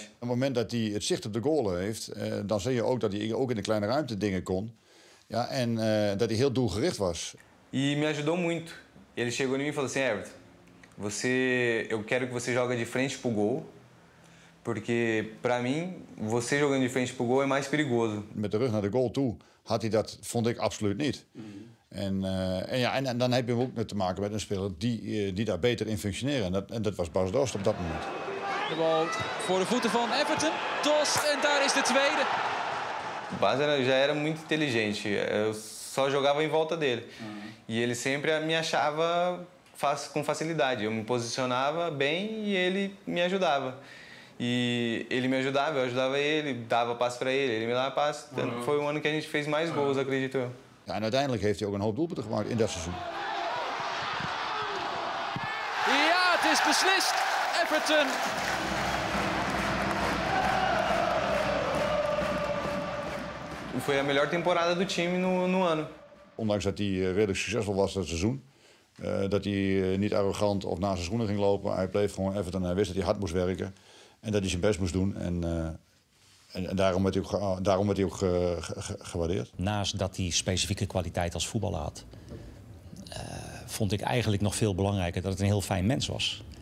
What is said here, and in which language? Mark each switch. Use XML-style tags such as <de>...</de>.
<nl>Op het moment dat hij het zicht op de goal heeft, dan zie je ook dat hij ook in de kleine ruimte dingen kon. Ja, en dat hij heel doelgericht was.</nl> <pt>E me ajudou muito. Ele chegou em mim e falou assim: "Everton, eu quero que você jogue de frente pro gol, porque para mim, você jogando de frente pro gol é mais perigoso."</pt> <nl>Met de rug naar de goal toe had hij dat, vond ik, absoluut niet. En dan heb je ook te maken met een speler die daar beter in functioneert. En dat was Bas Dost op dat moment. De bal voor de voeten van Everton. Dost, en daar is de tweede.</nl> <pt>Bas já era muito inteligente. Eu só jogava em volta dele. E ele sempre me achava com facilidade. Eu me posicionava bem e ele me ajudava. E ele me ajudava, eu ajudava ele, dava passe para ele, ele me dava passe. Foi um ano que a gente fez mais gols, acredito eu.</pt> <nl>En uiteindelijk heeft hij ook een hoop doelpunten gemaakt in dat seizoen. Ja, het is beslist. Everton.</nl> <pt>Foi a melhor temporada do time no ano.</pt> <nl>Ondanks dat hij redelijk succesvol was dat seizoen. Dat hij niet arrogant of naast zijn schoenen ging lopen. Hij bleef gewoon Everton. Hij wist dat hij hard moest werken. En dat hij zijn best moest doen. En daarom werd hij ook gewaardeerd. Naast dat hij specifieke kwaliteit als voetballer had, vond ik eigenlijk nog veel belangrijker dat het een heel fijn mens was.</nl>